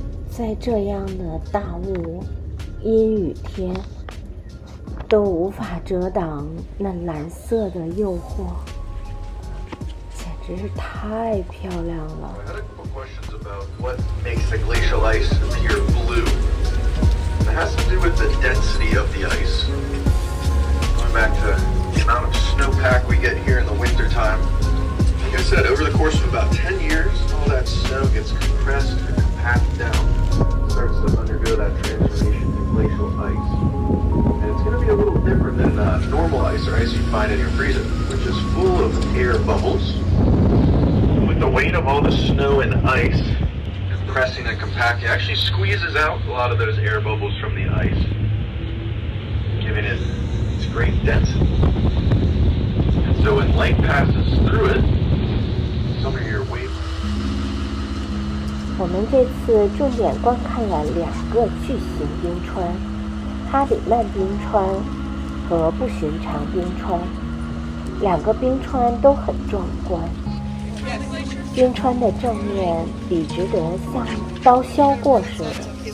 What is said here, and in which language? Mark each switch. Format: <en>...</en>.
<zh>在这样的大雾阴雨天都无法遮挡那蓝色的诱惑，简直是太漂亮了。</zh> <en>What makes the glacial ice appear blue? It has to do with the density of the ice. Going back to the amount of snowpack we get here in the wintertime. Like I said, over the course of about 10 years, all that snow gets compressed and compacted down. Starts to undergo that transformation to glacial ice. And it's going to be a little different than normal ice or ice you find in your freezer, which is full of air bubbles. The weight of all the snow and ice compressing and compacting actually squeezes out a lot of those air bubbles from the ice, giving it its great density. And so when light passes through it, some of your wave.</en> <zh>我们这次重点观看了两个巨型冰川，哈里曼冰川和不寻常冰川。两个冰川都很壮观。冰川的正面笔直得像刀削过似的，</zh>